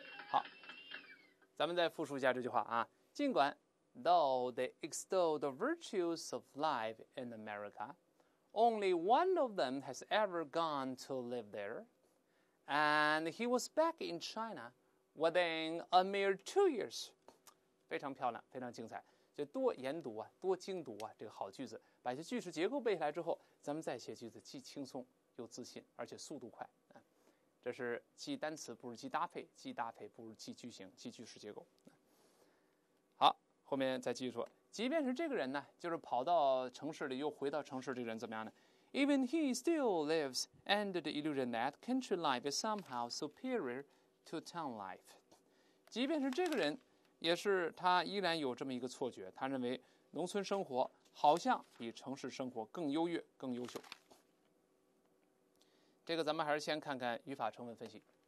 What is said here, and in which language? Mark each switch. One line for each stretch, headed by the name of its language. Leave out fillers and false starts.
Chinese: 好，咱们再复述一下这句话啊，尽管
English: Though they extol the virtues of life in America, only one of them has ever gone to live there, and he was back in China within a mere 2 years.
Chinese: 非常漂亮，非常精彩，就多研读啊，多精读啊，这个好句子，把这句式结构背下来之后，咱们再写句子，既轻松又自信，而且速度快。这是记单词不如记搭配，记搭配不如记句型，记句式结构。后面再继续说，即便是这个人呢，就是跑到城市里又回到城市这个人怎么样呢？
English: Even he still lives under the illusion that country life is somehow superior to town life.
Chinese: 即便是这个人，也是他依然有这么一个错觉，他认为农村生活好像比城市生活更优越更优秀。这个咱们还是先看看语法成分分析。